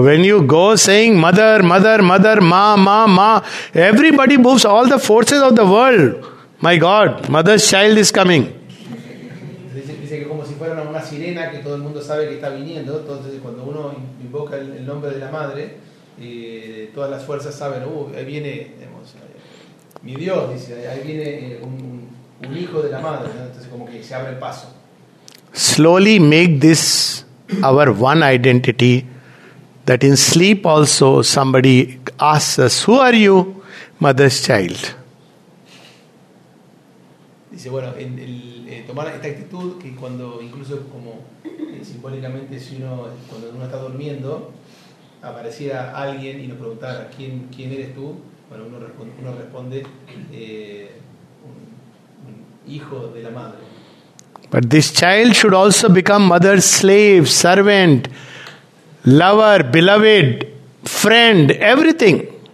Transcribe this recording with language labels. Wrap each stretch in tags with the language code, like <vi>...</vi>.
<en>When you go saying mother, mother, mother, ma, ma, ma, everybody moves, all the forces of the world, my God, mother's child is coming.</en> <es>Dice que como si fuera una sirena que todo el mundo sabe que está viniendo, entonces cuando uno invoca el nombre de la madre, todas las fuerzas saben, ahí viene, digamos, mi Dios, dice, ahí viene un hijo de la madre, ¿no? Entonces como que se abre el paso.</es> <en>Slowly make this our one identity, that in sleep also somebody asks us, who are you, mother's child?</en> <es>Dice, bueno, tomar esta actitud, que cuando incluso como simbólicamente, si uno, cuando uno está durmiendo, apareciera alguien y nos preguntara, ¿quién eres tú? Bueno, uno responde, un hijo de la madre.</es> <en>But this child should also become mother's slave, servant, lover, beloved, friend, everything.</en>